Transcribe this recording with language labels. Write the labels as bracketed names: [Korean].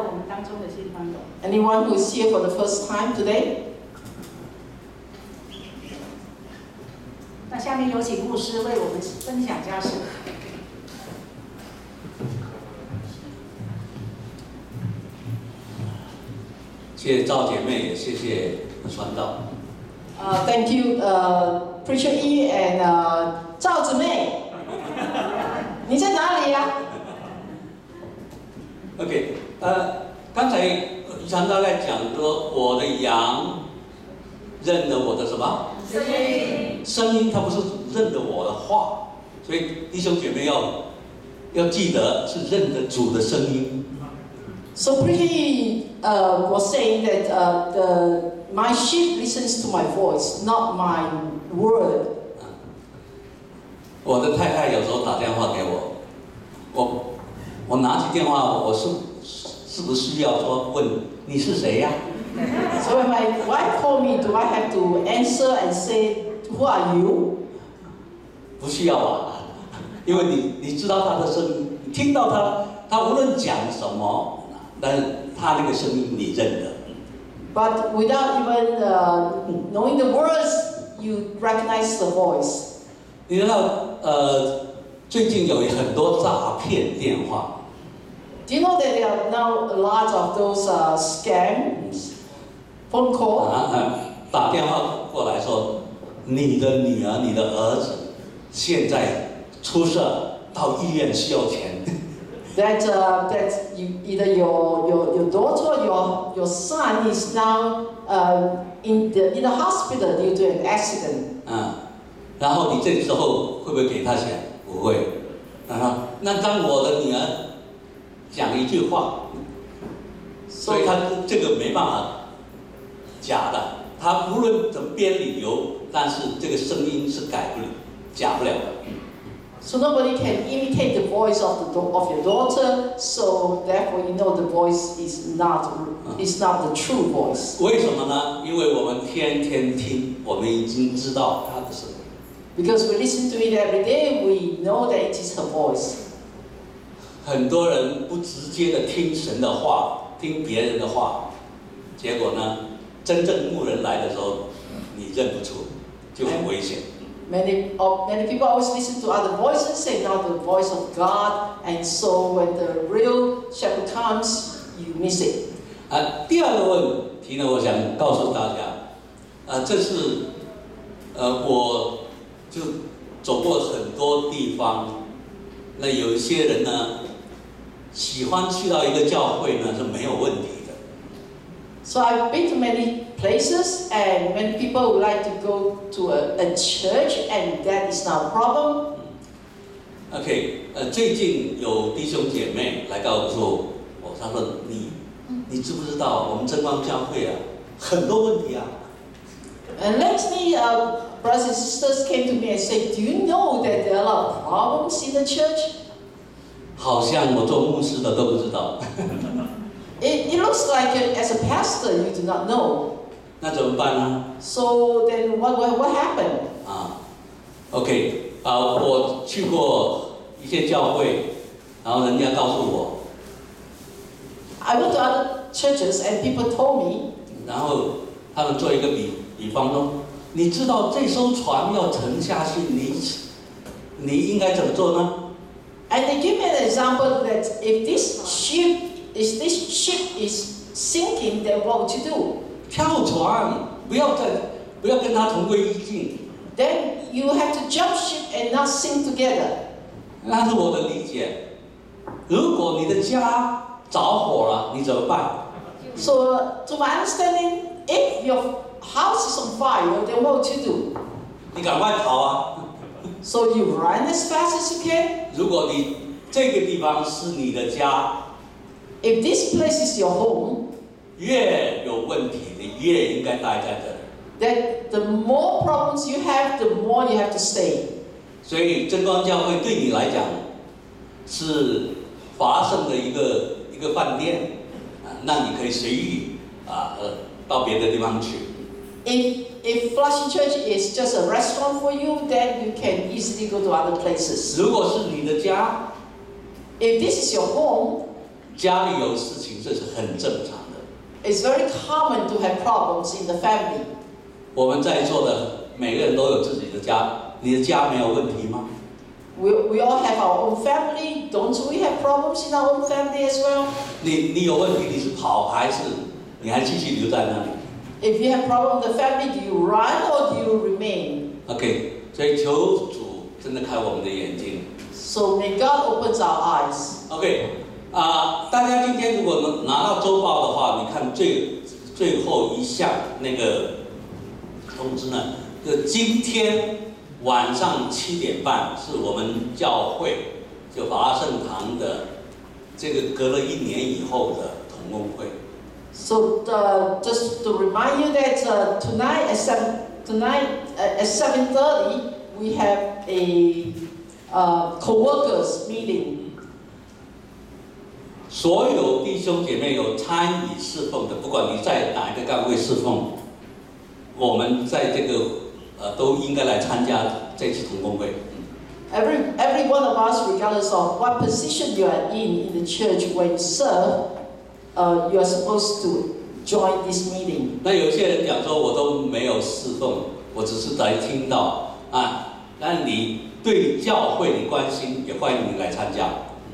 [English] Anyone who is here for the first time today? [Chinese] 那下面有请牧师为我们分享家事。谢谢赵姐妹，也谢谢传道。 [English] Thank you, Preacher E and 赵姊妹， [Chinese] 你在哪里呀、啊、？OK， 刚才传道在讲说，我的羊认得我的什么？声音。声音，它不是认得我的话，所以弟兄姐妹要记得是认得主的声音。 [English] So Preacher E was saying that my sheep listens to my voice, not my word. [Chinese] 我的太太有时候打电话给我，我拿起电话，我是不是需要说问你是谁呀、 [English] 啊、？So when my wife call me, do I have to answer and say who are you? [Chinese] 不需要吧，因为你知道他的声音，你听到他无论讲什么，但他那个声音你认得。 [English] But without even knowing the words, you recognize the voice. [Chinese] 你知道，最近有很多诈骗电话。 [English] Do you know that there are now a lot of those scams, phone call? [Chinese] 打电话过来说，你的女儿、你的儿子现在出事，到医院需要钱。 [English] That you, either your daughter or your son is now in the hospital due to an accident. [Chinese] 然后你这时候会不会给他钱？不会。那当我的女儿讲一句话， so, 所以他这个没办法假的。他无论怎么编理由，但是这个声音是改不了、假不了的。 [English] So nobody can imitate the voice of your daughter. So therefore, you know the voice is not the true voice. [Chinese] 为什么呢？因为我们天天听，我们已经知道她的声音。 [English] Because we listen to it every day, we know that it is her voice. [Chinese] 很多人不直接的听神的话，听别人的话，结果呢，真正牧人来的时候，你认不出，就很危险。 [English] Many people always listen to other voices, say not the voice of God, and so when the real shepherd comes, you miss it. [Chinese] 第二个问题呢，我想告诉大家，这是我就走过很多地方，那有一些人呢，喜欢去到一个教会呢是没有问题的。 [English] So I've been to many. Places and when people would like to go to a church and that is not a problem. [Chinese] Okay, 最近有弟兄姐妹来告诉我，他说你知不知道我们真光教会啊，很多问题啊。 [English] And lately, brothers and sisters came to me and said, "Do you know that there are a lot of problems in the church?" [Chinese] 好像我做牧师的都不知道。 [English] It looks like as a pastor, you do not know. [Chinese] 那怎么办呢 [English] ？So then what happened? [Chinese] OK， 我去过一些教会，然后人家告诉我。 [English] I went to other churches and people told me. [Chinese] 然后他们做一个比方说，你知道这艘船要沉下去，你应该怎么做呢 [English] ？And they give me an example that if this ship is sinking, then what would you do? [Chinese] 跳船，不要跟他同归于尽。 [English] Then you have to jump ship and not sink together. [Chinese] 那是我的理解。如果你的家着火了，你怎么办 [English] ？So to my understanding, if your house is on fire, then what to do? [Chinese] 你赶快跑啊 [English] ！So you run as fast as you can. [Chinese] 如果你这个地方是你的家 [English] ，If this place is your home. [Chinese] 越有问题，你越应该待在这里。 [English] That the more problems you have, the more you have to stay. [Chinese] 所以真光教会对你来讲是华盛的一个饭店，那你可以随意到别的地方去。 [English] If Flushing Church is just a restaurant for you, then you can easily go to other places. [Chinese] 如果是你的家 [English] ，If this is your home， [Chinese] 家里有事情这是很正常。 [English] It's very common to have problems in the family. [Chinese] 我们在座的每个人都有自己的家，你的家没有问题吗 [English] ？We all have our own family. Don't we have problems in our own family as well? [Chinese] 你有问题，你是跑还是你还继续留在那里。 [English] If you have problem with the family, do you run or do you remain? [Chinese] Okay, 所以求主真的开我们的眼睛。 [English] So may God open our eyes. [Chinese] Okay, 大家今天如果能拿到周报的话，你看最后一项那个通知呢，就今天晚上7:30是我们教会就华圣堂的这个隔了一年以后的同工会。 [English] So just to remind you that tonight at 7:30 we have a co-workers meeting. [Chinese] 所有弟兄姐妹有参与侍奉的，不管你在哪一个岗位侍奉，我们在这个都应该来参加这次同工会。 [English] Every one of us, regardless of what position you are in the church, when you serve. You are supposed to join this meeting. [Chinese] 那有些人讲说我都没有侍奉，我只是来听到啊。那你对教会你关心，也欢迎你来参加。